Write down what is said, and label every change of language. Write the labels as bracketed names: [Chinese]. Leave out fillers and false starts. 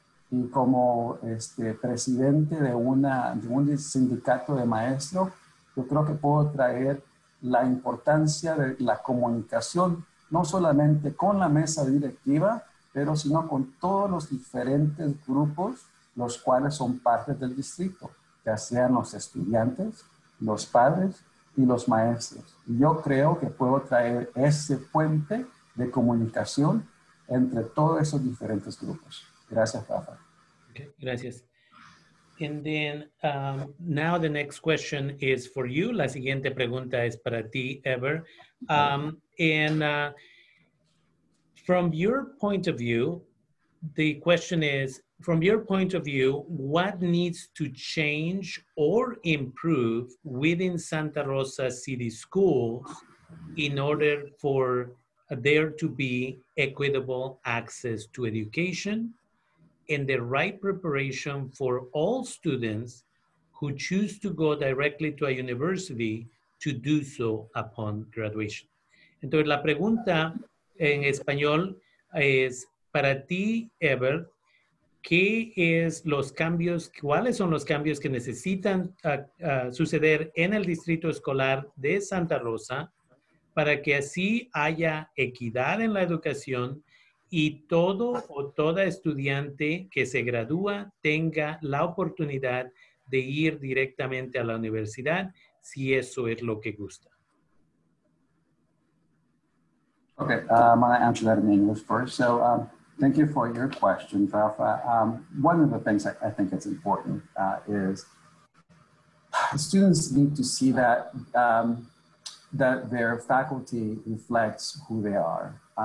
[Spanish] y como este, presidente de, una, de un sindicato de maestros, yo creo que puedo traer la importancia de la comunicación, no solamente con la mesa directiva, pero sino con todos los diferentes grupos, los cuales son parte del distrito, ya sean los estudiantes, los padres y los maestros. Yo creo que puedo traer ese puente de comunicación entre todos esos diferentes grupos. Gracias, Rafa. Okay, gracias. [English] And then, now the next question is for you. [Spanish] La siguiente pregunta es para ti, Ever. [English] From your point of view, the question is, from your point of view, what needs to change or improve within Santa Rosa City Schools in order for there to be equitable access to education and the right preparation for all students who choose to go directly to a university to do so upon graduation? [Spanish] Entonces, la pregunta en español es para ti, Ever, ¿qué es los cambios, cuáles son los cambios que necesitan suceder en el distrito escolar de Santa Rosa para que así haya equidad en la educación y todo o toda estudiante que se gradúa tenga la oportunidad de ir directamente a la universidad si eso es lo que gusta? [English] Okay, I'm going to answer that in English first. So thank you for your question, Rafa. One of the things I think it's important is students need to see that that their faculty reflects who they are.